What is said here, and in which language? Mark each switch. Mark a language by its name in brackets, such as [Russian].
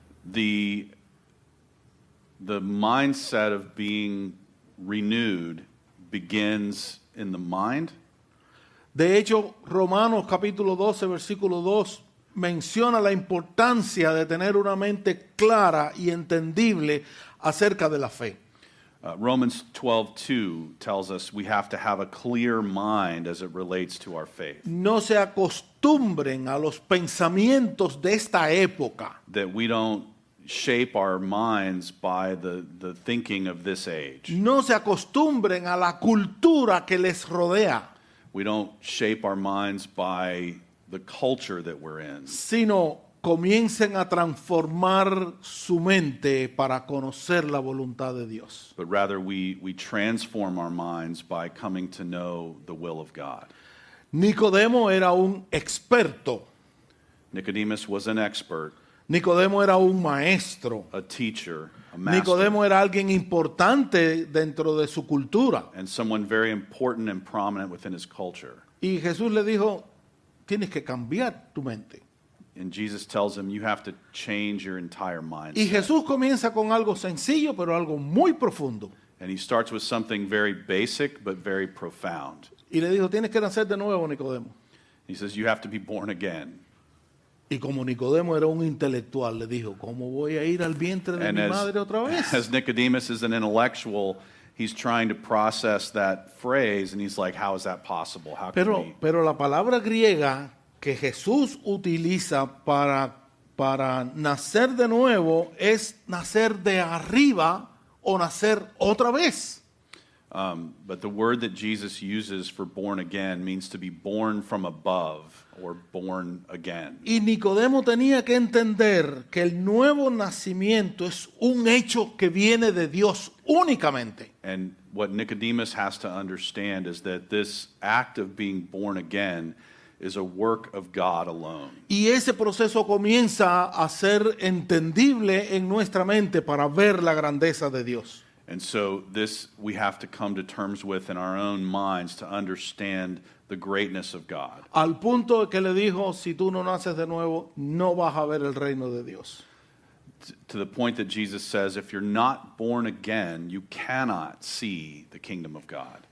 [English] The mindset of being renewed begins in the mind. [Spanish] De hecho, Romanos capítulo 12, versículo 2, menciona la importancia de tener una mente clara y entendible acerca de la fe. [English] Romans 12:2 tells us we have to have a clear mind as it relates to our faith. [Spanish] No se acostumbren a los pensamientos de esta época. [English] That we don't shape our minds by the thinking of this age. [Spanish] No se acostumbren a la cultura que les rodea. [English] We don't shape our minds by the culture that we're in. [Spanish] Sino comiencen a transformar su mente para conocer la voluntad de Dios. [English] But rather we transform our minds by coming to know the will of God. [Spanish] Nicodemo era un experto. [English] Nicodemus was an expert. [Spanish] Nicodemo era un maestro. [English] A teacher, a master. [Spanish] Nicodemo era alguien importante dentro de su cultura. [English] And someone very important and prominent within his culture. [Spanish] Y Jesús le dijo, tienes que cambiar tu mente. [English] And Jesus tells him, you have to change your entire mindset. [Spanish] Y Jesús comienza con algo sencillo, pero algo muy profundo. [English] And he starts with something very basic, but very profound. [Spanish] Y le dijo, tienes que nacer de nuevo, Nicodemo. [English] He says, you have to be born again. [Spanish] Y como Nicodemo era un intelectual, le dijo, ¿cómo voy a ir al vientre de [English] and [Spanish] mi madre otra vez? [English] As Nicodemus is an intellectual, he's trying to process that phrase, and he's like, how is that possible? How [Spanish] pero, [English] can we? [Spanish] Pero la palabra griega que Jesús utiliza para nacer de nuevo es nacer de arriba o nacer otra vez. [English] But the word that Jesus uses for born again means to be born from above or born again. [Spanish] Y Nicodemo tenía que entender que el nuevo nacimiento es un hecho que viene de Dios únicamente. [English] And what Nicodemus has to understand is that this act of being born again is a work of God alone. [Spanish] Y ese proceso comienza a ser entendible en nuestra mente para ver la grandeza de Dios. [English] And so this we have to come to terms with in our own minds to understand the greatness of God. [Spanish] Al punto que le dijo, si tú no naces de nuevo, no vas a ver el reino de Dios. [English] To the point that Jesus says, if you're not born again, you cannot see the kingdom of God.